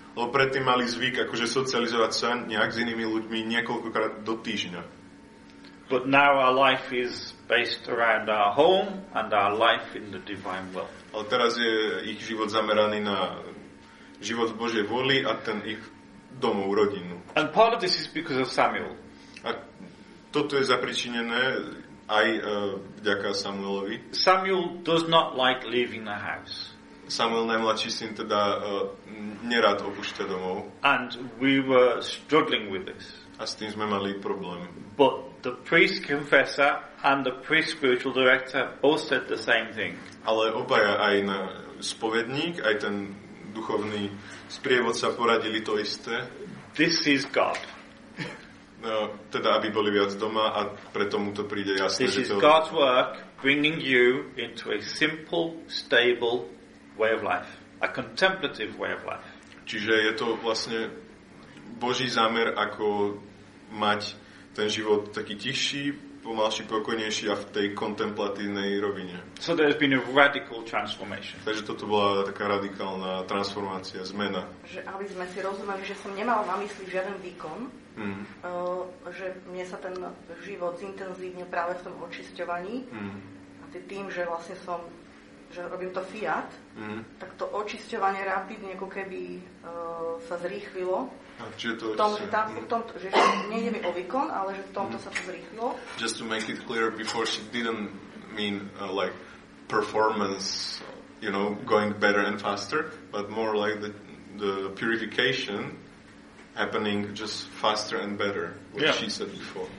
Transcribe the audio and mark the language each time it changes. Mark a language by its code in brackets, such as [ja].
[sk] Lebo predtým mali zvyk akože socializovať sa nejak s inými ľuďmi niekoľkokrát do týždňa. [en] But now our life is based around our home and our life in the divine will. [sk] Ale teraz je ich život zameraný na život v Božej vôli a ten ich domov, rodinu. [en] And part of this is because of Samuel. [sk] A toto je zapričinené aj vďaka Samuelovi. [en] Samuel does not like leaving the house. [sk] Samuel, najmladší syn, teda nerad opúšťa domov. [en] And we were struggling with this. [sk] A s tým sme mali problém. [en] But the priest confessor and the priest spiritual director both said the same thing. [sk] Ale obaja, aj na spovedník, aj ten duchovný sprievodca, poradili to isté. [en] This is God. [sk] No, teda, aby boli viac doma a preto mu to príde jasné. [en] This [sk] že [en] is God's work bringing you into a simple, stable way of life. A contemplative way of life. [sk] Čiže je to vlastne Boží zámer, ako mať ten život taký tichší, pomalší, pokojnejší a v tej kontemplatívnej rovine. [en] So there has been a radical transformation. [sk] Takže toto bola taká radikálna transformácia, zmena. Že aby sme si rozumeli, že som nemal na mysli žiaden výkon, že mne sa ten život zintenzívnil práve v tom očisťovaní. A tým, že vlastne som, že robím to fiat, tak to očisťovanie rapidne ako keby sa zrýchlilo. [en] Just to make it clear, before she didn't mean like performance, you know, going better and faster, but more like the purification happening just faster and better, what she said before.